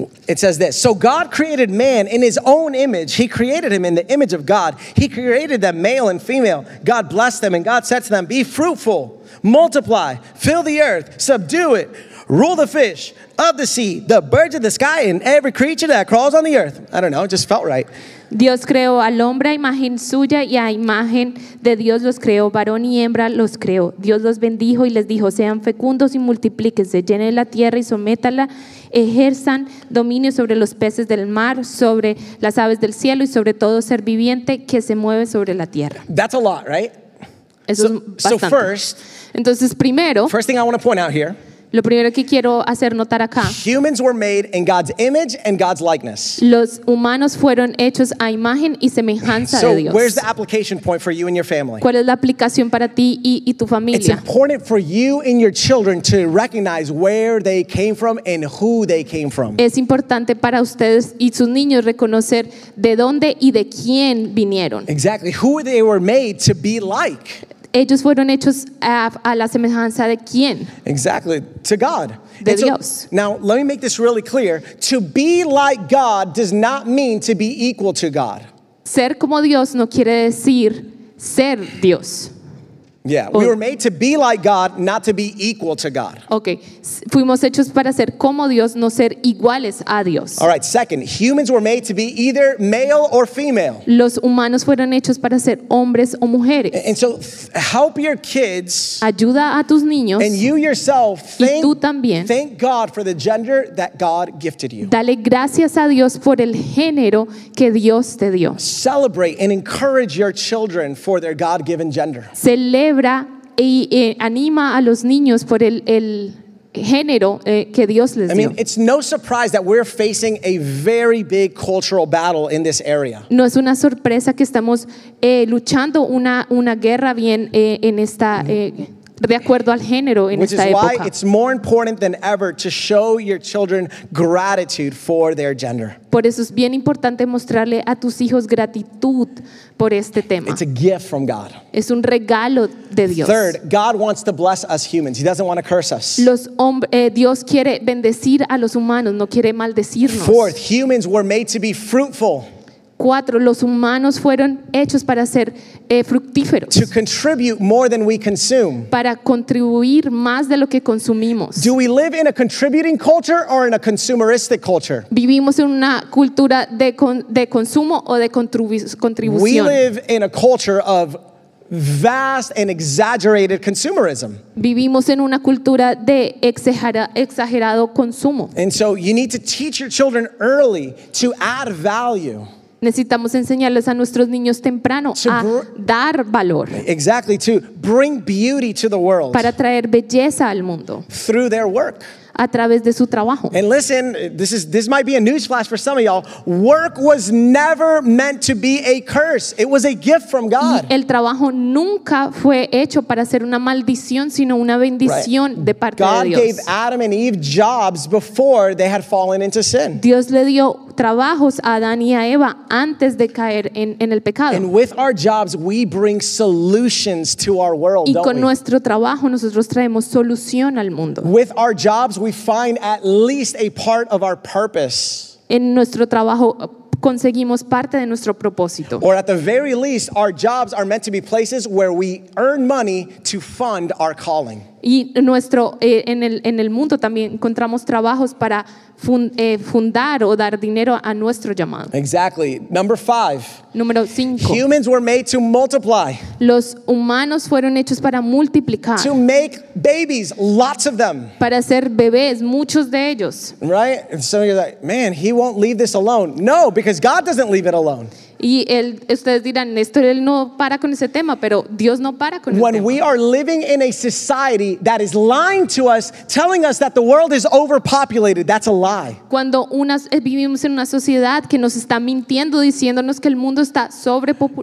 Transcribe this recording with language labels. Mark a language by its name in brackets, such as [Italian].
[English] It says this. So God created man in his own image. He created him in the image of God. He created them male and female. God blessed them and God said to them, be fruitful, multiply, fill the earth, subdue it, rule the fish of the sea, the birds of the sky, and every creature that crawls on the earth. I don't know. It just felt right. [Spanish] Dios creó al hombre a imagen suya y a imagen de Dios los creó, varón y hembra los creó. Dios los bendijo y les dijo, sean fecundos y multiplíquense, llenen la tierra y sométala, ejerzan dominio sobre los peces del mar, sobre las aves del cielo y sobre todo ser viviente que se mueve sobre la tierra. [English] That's a lot, right? [Spanish] Eso [English] so, [Spanish] es bastante. [English] So first, [Spanish] entonces primero, [English] first thing I want to point out here, [Spanish] lo primero que quiero hacer notar acá. [English] Humans were made in God's image and God's likeness. [Spanish] Los humanos fueron hechos a imagen y semejanza [English] so [Spanish] de Dios. [English] So where's the application point for you and your family? [Spanish] ¿Cuál es la aplicación para ti y tu familia? [English] It's important for you and your children to recognize where they came from and who they came from. [Spanish] Es importante para ustedes y sus niños reconocer de dónde y de quién vinieron. [English] Exactly, who they were made to be like. [Spanish] Ellos fueron hechos a la semejanza de quién? [English] Exactly, to God. [Spanish] De Dios. [English] Now, let me make this really clear. To be like God does not mean to be equal to God. [Spanish] Ser como Dios no quiere decir ser Dios. [English] Yeah, we were made to be like God, not to be equal to God. [Spanish] Okay, fuimos hechos para ser como Dios, no ser iguales a Dios. [English] All right, second, humans were made to be either male or female. [Spanish] Los humanos fueron hechos para ser hombres o mujeres. [English] And so, help your kids. [Spanish] Ayuda a tus niños. [English] And you yourself, [Spanish] y tú también. [English] Thank God for the gender that God gifted you. [Spanish] Dale gracias a Dios por el género que Dios te dio. [English] Celebrate and encourage your children for their God-given gender. [Spanish] Celebra y anima a los niños por el género que Dios les dio. [English] I mean, it's no surprise that we're facing a very big cultural battle in this area. [Spanish] No es una sorpresa que estamos luchando una guerra bien en esta de acuerdo al género en [English] Which Which is why it's more important than ever to show your children gratitude for their gender. [Spanish] Por eso es bien importante mostrarle a tus hijos gratitud por este tema. [English] It's a gift from God. [Spanish] Es un regalo de Dios. [English] Third, God wants to bless us humans. He doesn't want to curse us. [Spanish] Dios quiere bendecir a los humanos, no quiere maldecirnos. [English] Fourth, humans were made to be fruitful. [Spanish] Cuatro, los humanos fueron hechos para ser fructíferos. [English] To contribute more than we consume. [Spanish] Para contribuir más de lo que consumimos. [English] Do we live in a contributing culture or in a consumeristic culture? [Spanish] ¿Vivimos en una cultura de consumo o de contribución? [English] We live in a culture of vast and exaggerated consumerism. [Spanish] Vivimos en una cultura de exagerado consumo. [English] And so you need to teach your children early to add value. [Spanish] Necesitamos enseñarles a nuestros niños temprano a dar valor. [English] Exactly, to bring beauty to the world. [Spanish] Para traer belleza al mundo. [English] Through their work. [Spanish] A través de su trabajo. [English] And listen, this might be a newsflash for some of y'all. Work was never meant to be a curse. It was a gift from God. [Spanish] Y el trabajo nunca fue hecho para ser una maldición, sino una bendición [English] right. [Spanish] de parte [English] God [Spanish] de Dios. [English] God gave Adam and Eve jobs before they had fallen into sin. [Spanish] Dios le dio trabajos a Adán y a Eva antes de caer en el pecado. [English] And with our jobs, we bring solutions to our world, [Spanish] y [English] don't we? [Spanish] Y con nuestro trabajo, nosotros traemos solución al mundo. [English] With our jobs, we find at least a part of our purpose. [Spanish] En nuestro trabajo, conseguimos parte de nuestro propósito. [English] Or at the very least, our jobs are meant to be places where we earn money to fund our calling. [Spanish] Y nuestro en el mundo también encontramos trabajos para fundar o dar dinero a nuestro llamado. [English] Exactly. Number five. [Spanish] Número cinco. [English] Humans were made to multiply. [Spanish] Los humanos fueron hechos para multiplicar. [English] To make babies, lots of them. [Spanish] Para hacer bebés, muchos de ellos. [English] Right? And so you're like, man, he won't leave this alone. No, because God doesn't leave it alone. [Spanish] Y él, ustedes dirán, Néstor, él no para con ese tema, pero Dios no para con [English] When [Spanish] el tema. [English] When we are living in a society that is lying to us, telling us that the world is overpopulated, that's a lie. [Spanish] Cuando vivimos en una sociedad que nos está mintiendo, diciéndonos que el mundo está sobre